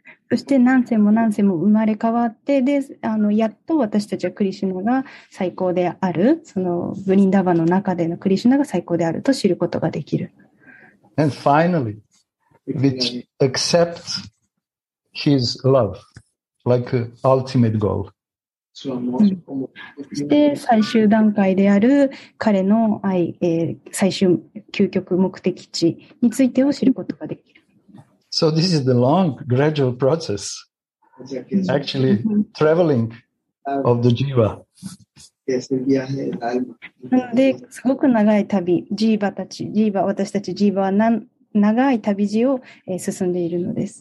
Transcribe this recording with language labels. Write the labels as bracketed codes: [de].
[ja] そして何世も何世も生まれ変わって、で、あのやっと私たちはクリシュナが最高である、そのブリンダバの中でのクリシュナが最高であると知ることができる。 [en] And finally, we accept his love, like ultimate goal. [ja] そして最終段階である彼の愛、最終究極目的地についてを知ることができる。 [en] So this is the long, gradual process, actually traveling of the jiva. Yes, the journey of the alma.